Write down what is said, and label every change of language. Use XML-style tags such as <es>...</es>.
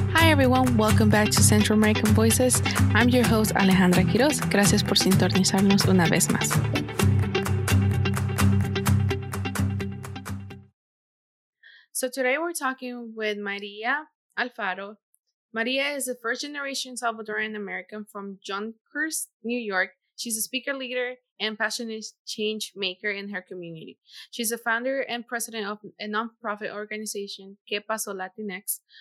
<en>everyone, welcome back to Central American Voices. I'm your host, Alejandra Quiroz.</en> <es>Gracias por sintonizarnos una vez más.</es> <en>So today we're talking with Maria Alfaro. Maria is a first-generation Salvadoran American from Yonkers, New York. She's a speaker leader and passionate change maker in her community. She's a founder and president of a nonprofit organization, Que Paso Latinx.</en>